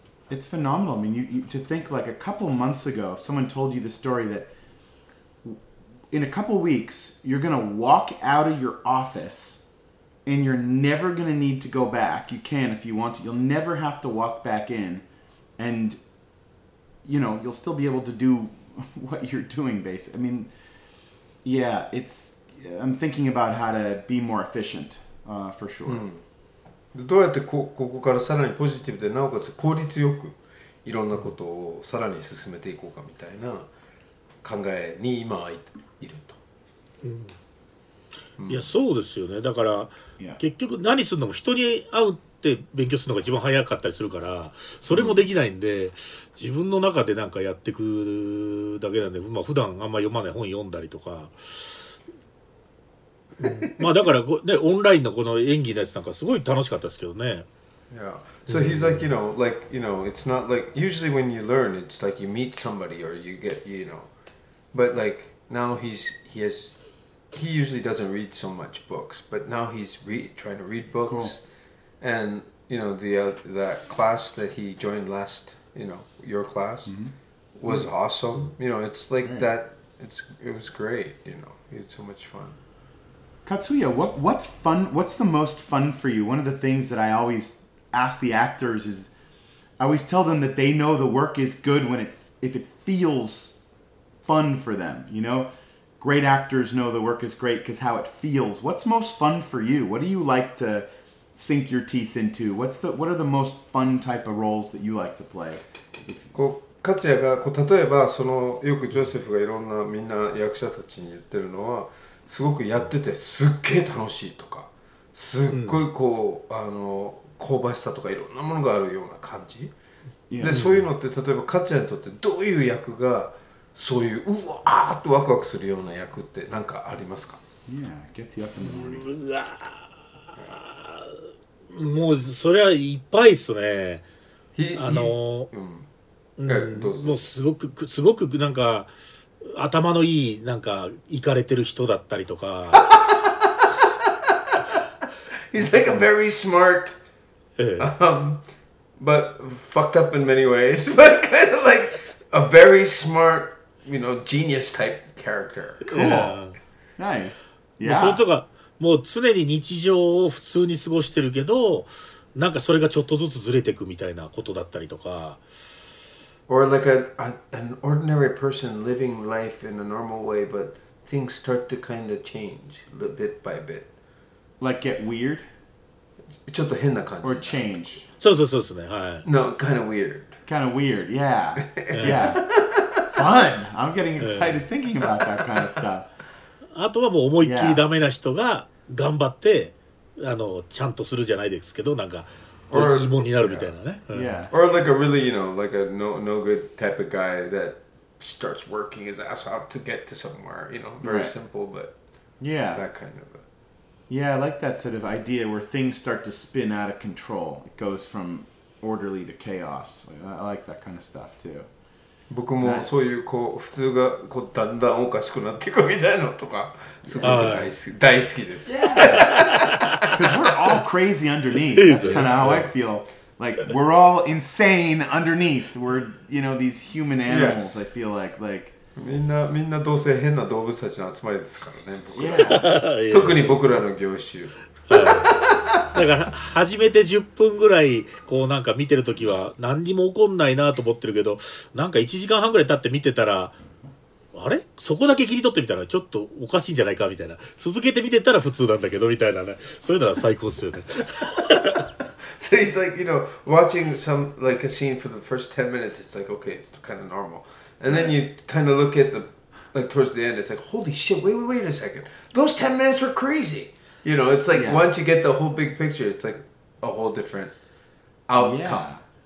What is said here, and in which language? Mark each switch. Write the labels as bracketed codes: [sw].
[en] It's phenomenal. I mean, you to think like a couple months ago, if someone told you the story that in a couple weeks, you're going to walk out of your office and you're never going to need to go back. You can if you want to. You'll never have to walk back in. And, you know, you'll still be able to do what you're doing, basically. I mean, yeah, it's... I'm thinking about how to be more efficient, for sure. Mm. [ja] どうやってここからさらにポジティブでなおかつ効率よくいろんなことをさらに進めていこうかみたいな考えに今はいると、うん、いやそうですよね。だから、 [en] yeah. [ja] 結局何するのも人に会うって勉強するのが一番早かったりするから、それもできないんで、うん、自分の中でなんかやってくるだけなんで、まあ、普段あんま読まない本読んだりとかまあだからね、オンラインのこの演技のやつなんかすごい楽しかったですけどね。 [en] Yeah, so he's like, you know, like, you know, it's not like, usually when you learn, it's like you meet somebody or you get, you know, but like, now he usually doesn't read so much books, but now he's trying to read books. Cool. And, you know, that class that he joined last, you know, your class, mm-hmm. was mm-hmm. awesome. You know, it's like right. that, it was great, you know, he had so much fun. Katsuya, what's fun? What's the most fun for you? One of the things that I always ask the actors is, I always tell them that they know the work is good when if it feels fun for them. You know, great actors know the work is great because how it feels. What's most fun for you? What do you like to sink your teeth into? What are the most fun type of roles that you like to play? [ja] Katsuya が例えばそのよくジョセフがいろんなみんな役者たちに言ってるのは。すごくやっててすっげー楽しいとか、すっごいこう、うん、あの香ばしさとかいろんなものがあるような感じ、yeah. でそういうのって例えば勝也にとってどういう役がそういううわーっとワクワクするような役って何かありますか？ [en] Yeah, gets you up in the morning. [ja] うわー、もうそれはいっぱいっすね。もうすごくなんか頭のいいなんかイカれてる人だったりとか、 [en] He's like a very smart, but fucked up in many ways. But kind of like a very smart, you know, genius type character. Cool, nice. Yeah. [ja] それとかもう常に日常を普通に過ごしてるけど、なんかそれがちょっとずつずれてくみたいなことだったりとか。 [en] Or like an ordinary person living life in a normal way, but things start to kind of change bit by bit. Like get weird? [ja] ちょっと変な感じ。 [en] Or change. [ja] そうそうそうですね。はい。 [en] No, kind of weird. Kind of weird, yeah. Yeah. Fun! I'm getting excited thinking about that kind of stuff. [ja] あとはもう思いっきりダメな人が頑張って、あの、ちゃんとするじゃないですけど、なんか、 [en] Or, yeah. Or like a really, you know, like a no good type of guy that starts working his ass off to get to somewhere, you know, very simple, but yeah, that kind of a... Yeah, I like that sort of idea where things start to spin out of control. It goes from orderly to chaos. I like that kind of stuff too. [ja] 僕もそういうこう普通がこうだんだんおかしくなっていくみたいなのとかすごく大好きです。 [en] Because we're all crazy underneath. That's kind of how I feel. Like we're all insane underneath. We're, you know, these human animals. Yes. I feel like. [ja] みんなどうせ変な動物たちの集まりですからね。僕ら特に僕らの業種。だから初めて10分ぐらいこうなんか見てるときは何にも起こんないなと思ってるけど、なんか1時間半ぐらい経って見てたら、あれそこだけ切り取ってみたらちょっとおかしいんじゃないかみたいな、続けて見てたら普通なんだけどみたいなね、そういうのは最高っすよね。 [en] So he's like, you know, watching some like a scene for the first 10 minutes, it's like, okay, it's kind of normal, and then you kind of look at the like towards the end, it's like, holy shit, wait a second. Those 10 minutes were crazy. You know, it's like, yeah. Once you get the whole big picture, it's like a whole different outcome, yeah.